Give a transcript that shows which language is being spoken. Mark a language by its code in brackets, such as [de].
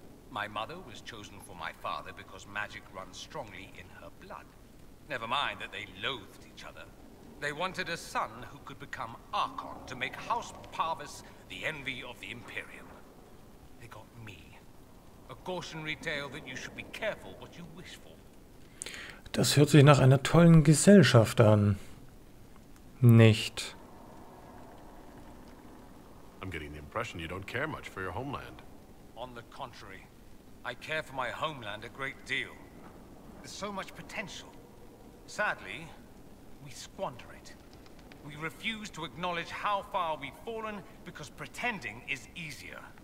[en] My mother was chosen for my father because magic runs strongly in her blood. Never mind that they loathed each other. They wanted a son who could become Archon to make House Parvus the envy of the Imperium. They got me. A cautionary tale that you should be careful what you wish for. [de] Das hört sich nach einer tollen Gesellschaft an. Nicht. [en] I'm getting the impression you don't care much for your homeland. On the contrary, I care for my homeland a great deal. There's so much potential. Sadly, we squander it. We refuse to acknowledge how far we've fallen because pretending is easier.